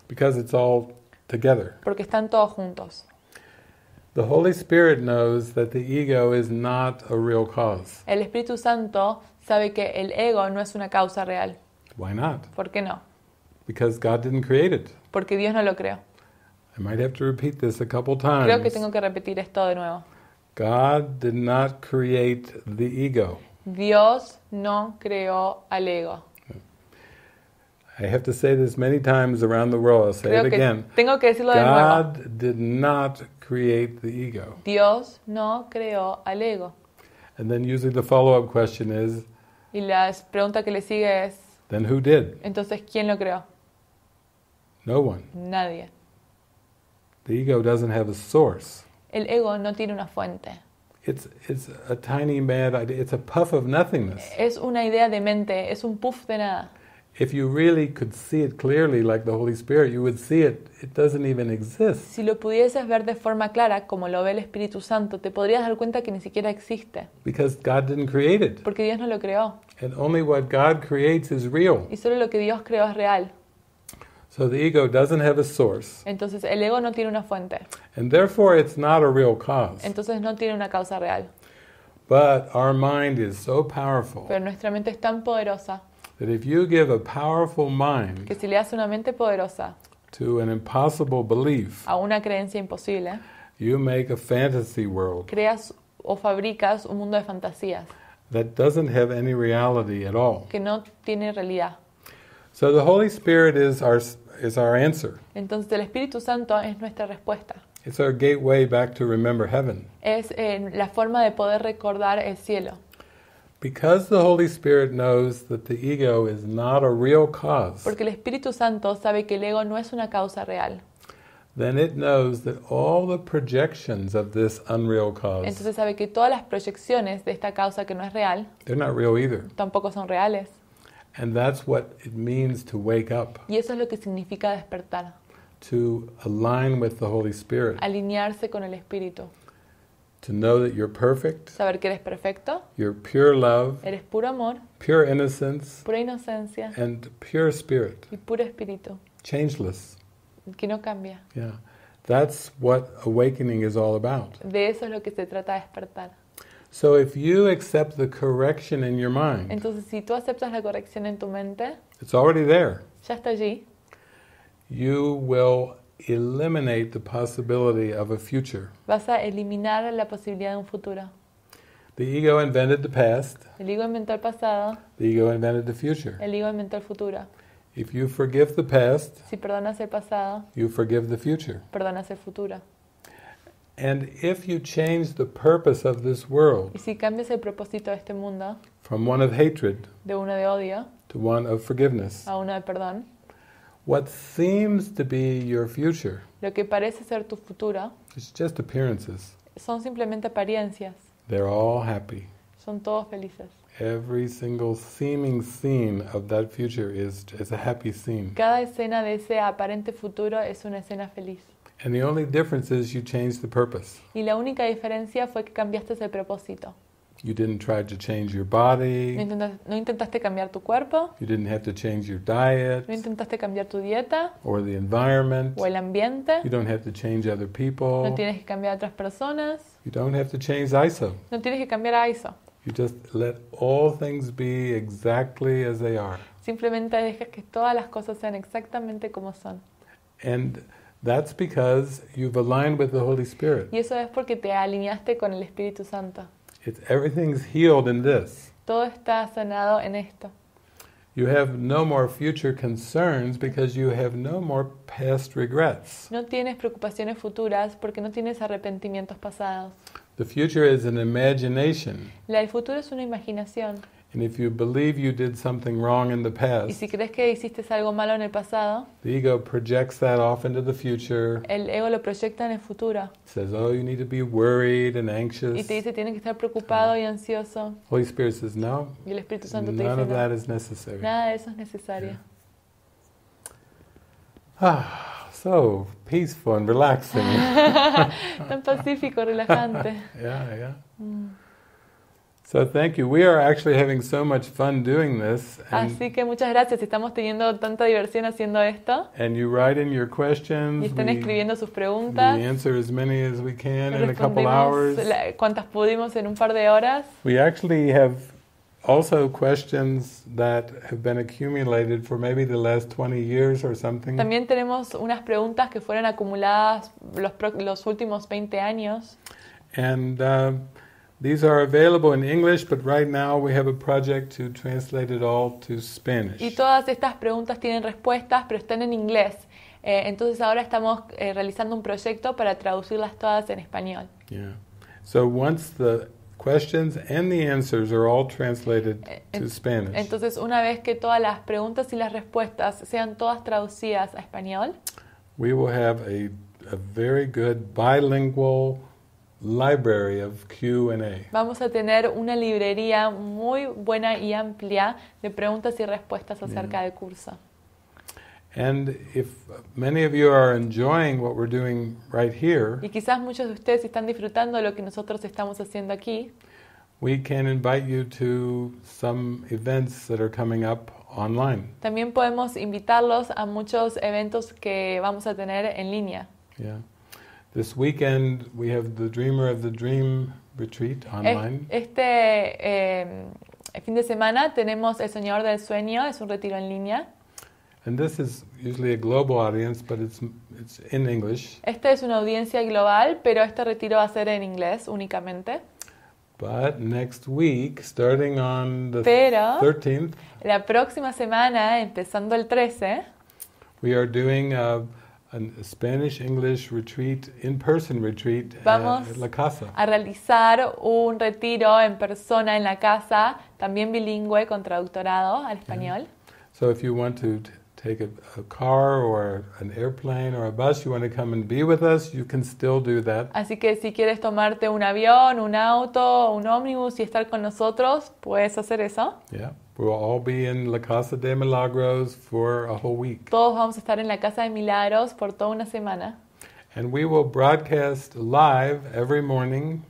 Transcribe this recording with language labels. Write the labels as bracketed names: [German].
[English] Because it's all together. [Spanish] Porque están todos juntos. [English] The Holy Spirit knows that the ego is not a real cause. [Spanish] El Espíritu Santo sabe que el ego no es una causa real. [English] Why not? [Spanish] ¿Por qué no? [English] Because God didn't create it. [Spanish] Porque Dios no lo creó. [English] I might have to repeat this a couple times. [Spanish] Creo que tengo que repetir esto de nuevo. [English] God did not create the ego. [Spanish] Dios no creó al ego. [English] I have to say this many times around the world. I'll say [Spanish] Creo [English] it again. [Spanish] Tengo que decirlo [English] God [Spanish] de nuevo. [English] God did not create the ego. [Spanish] Dios no creó al ego. [English] And then usually the follow-up question is, [Spanish] y la pregunta que le sigue es, [English] then who did? [Spanish] Entonces, ¿quién lo creó? [English] No one. [Spanish] Nadie. [English] The ego doesn't have a source. [Spanish] El ego no tiene una fuente. [English] It's a tiny mad idea. It's a puff of nothingness. [Spanish] Es una idea de mente. Es un puff de nada. [English] If you really could see it clearly, like the Holy Spirit, you would see it. It doesn't even exist. [Spanish] Si lo pudieses ver de forma clara, como lo ve el Espíritu Santo, te podrías dar cuenta que ni siquiera existe. [English] Because God didn't create it. [Spanish] Porque Dios no lo creó. [English] And only what God creates is real. [Spanish] Y solo lo que Dios creó es real. [English] So the ego doesn't have a source. [Spanish] Entonces el ego no tiene una fuente. [English] And therefore it's not a real cause. [Spanish] Entonces no tiene una causa real. [English] But our mind is so powerful. [Spanish] Pero nuestra mente es tan poderosa. [English] That if you give a powerful mind. [Spanish] Que si le das una mente poderosa. [English] To an impossible belief. [Spanish] A una creencia imposible. [English] You make a fantasy world. [Spanish] Creas o fabricas un mundo de fantasías. [English] That doesn't have any reality at all. [Spanish] Que no tiene realidad. [English] So the Holy Spirit is our answer. [Spanish] Entonces el Espíritu Santo es nuestra respuesta. [English] It's our gateway back to remember heaven. [Spanish] Es la forma de poder recordar el cielo. [English] Because the Holy Spirit knows that the ego is not a real cause. [Spanish] Porque el Espíritu Santo sabe que el ego no es una causa real. [English] Then it knows that all the projections of this unreal cause. [Spanish] Entonces sabe que todas las proyecciones de esta causa que no es real. [English] They're not real either. [Spanish] Tampoco son reales. [English] And that's what it means to wake up. [Spanish] Y eso es lo que significa despertar. [English] To align with the Holy Spirit. [Spanish] Alinearse con el Espíritu. [English] To know that you're perfect. [Spanish] Saber que eres perfecto. [English] You're pure love. [Spanish] Eres puro amor. [English] Pure innocence. [Spanish] Pura inocencia. [English] And pure spirit. [Spanish] Y puro espíritu. [English] Changeless. [Spanish] Que no cambia. [English] Yeah. That's what awakening is all about. [Spanish] De eso es lo que se trata de despertar. [English] So if you accept the correction in your mind, [Spanish] entonces si tú aceptas la corrección en tu mente, [English] it's already there. [Spanish] Ya está allí. [English] You will eliminate the possibility of a future. [Spanish] Vas a eliminar la posibilidad de un futuro. [English] The ego invented the past. [Spanish] El ego inventó el pasado. [English] The ego invented the future. [Spanish] El ego inventó el futuro. [English] If you forgive the past, [Spanish] si perdonas el pasado, [English] you forgive the future. [Spanish] Perdonas el futuro. [English] And if you change the purpose of this world, [Spanish] y si cambias el propósito de este mundo, [English] from one of hatred, [Spanish] de uno de odio, [English] to one of forgiveness, [Spanish] a uno de perdón, [English] what seems to be your future, [Spanish] lo que parece ser tu futuro, [English] it's just appearances, [Spanish] son simplemente apariencias, [English] they're all happy, [Spanish] son todos felices, [English] every single seeming scene of that future is a happy scene, [Spanish] cada escena de ese aparente futuro es una escena feliz. [English] And the only difference is you changed the purpose. [Spanish] Y la única diferencia fue que cambiaste el propósito. [English] You didn't try to change your body. [Spanish] No intentaste cambiar tu cuerpo. [English] You didn't have to change your diet. [Spanish] No intentaste cambiar tu dieta. [English] Or the environment. [Spanish] O el ambiente. [English] You don't have to change other people. [Spanish] No tienes que cambiar a otras personas. [English] You don't have to change ISO. [Spanish] No tienes que cambiar a ISO. [English] You just let all things be exactly as they are. [Spanish] Simplemente dejas que todas las cosas sean exactamente como son. [English] And that's because you've aligned with the Holy Spirit. [Spanish] Y eso es porque te alineaste con el Espíritu Santo. [English] It's everything's healed in this. [Spanish] Todo está sanado en esto. [English] You have no more future concerns because you have no more past regrets. [Spanish] No tienes preocupaciones futuras porque no tienes arrepentimientos pasados. [English] The future is an imagination. [Spanish] El futuro es una imaginación. [English] And if you believe you did something wrong in the past, [Spanish] y si crees que hiciste algo malo en el pasado, [English] the ego projects that off into the future. [Spanish] El ego lo proyecta en el futuro. [English] Says, "Oh, you need to be worried and anxious." [Spanish] Y te dice, tienes que estar preocupado y ansioso. [English] Holy Spirit says, "No." [Spanish] Y el Espíritu Santo te dice, [English] none of that is necessary. [Spanish] Nada de eso es necesario. [English] Yeah. Ah, so peaceful and relaxing. [Spanish] Tan pacífico, relajante. [English] Yeah. So thank you. We are actually having so much fun doing this. [Spanish] And así que muchas gracias. Estamos teniendo tanta diversión haciendo esto. [English] And you write in your questions. [Spanish] Y están escribiendo sus preguntas. [English] We answer as many as we can in a couple hours. [Spanish] Cuantas pudimos en un par de horas. [English] We actually have also questions that have been accumulated for maybe the last 20 years or something. [Spanish] También tenemos unas preguntas que fueron acumuladas los últimos 20 años. [English] And these are available in English, but right now we have a project to translate it all to Spanish. [Spanish] Y todas estas preguntas tienen respuestas, pero están en inglés. Entonces ahora estamos realizando un proyecto para traducirlas todas en español. [English] Yeah. So once the questions and the answers are all translated to Spanish. [Spanish] Entonces una vez que todas las preguntas y las respuestas sean todas traducidas a español, [English] we will have a very good bilingual library of Q&A. [Spanish] Vamos a tener una librería muy buena y amplia de preguntas y respuestas acerca del curso. [English] And if many of you are enjoying what we're doing right here, [Spanish] y quizás muchos de ustedes están disfrutando lo que nosotros estamos haciendo aquí, [English] we can invite you to some events that are coming up online. [Spanish] También podemos invitarlos a muchos eventos que vamos a tener en línea. [English] Yeah. This weekend we have the Dreamer of the Dream retreat online. [Spanish] Este fin de semana tenemos el Soñador del Sueño, es un retiro en línea. [English] And this is usually a global audience, but it's in English. [Spanish] Esta es una audiencia global, pero este retiro va a ser en inglés únicamente. [English] But next week, starting on the 13th, [Spanish] la próxima semana, empezando el 13, [English] we are doing a Spanish English retreat, in person retreat, [Spanish] vamos [English] at la casa. [Spanish] A realizar un retiro en persona en la casa, también bilingüe con traductorado al español. [English] Yeah. So if you want to take a car or an airplane or a bus, you want to come and be with us, you can still do that. [Spanish] Así que si quieres tomarte un avión, un auto, un ómnibus y estar con nosotros, puedes hacer eso. [English] Yeah. We'll all be in La Casa de Milagros for a whole week. [Spanish] Todos vamos a estar en la Casa de Milagros por toda una semana. [English] And we will broadcast live every morning.